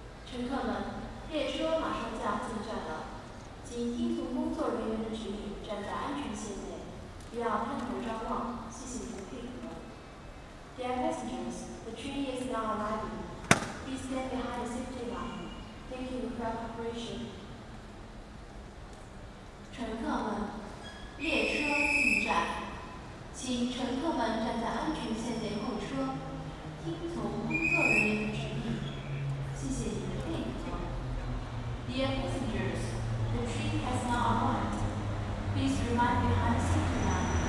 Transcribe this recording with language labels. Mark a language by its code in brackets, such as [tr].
[zh] 乘客们，列车马上就要进站了，请听从工作人员的指引，站在安全线内，不要探头张望，谢谢您的配合。 [en] Dear passengers, the train is now arriving. Please stand behind the safety line. Thank you for your cooperation. [zh] 乘客们，列车进站，请乘客们站在安全线内候车，听从工作人员的指引。谢谢您的配合。 [en] Dear passengers, the train has now arrived. Please remain behind the safety line.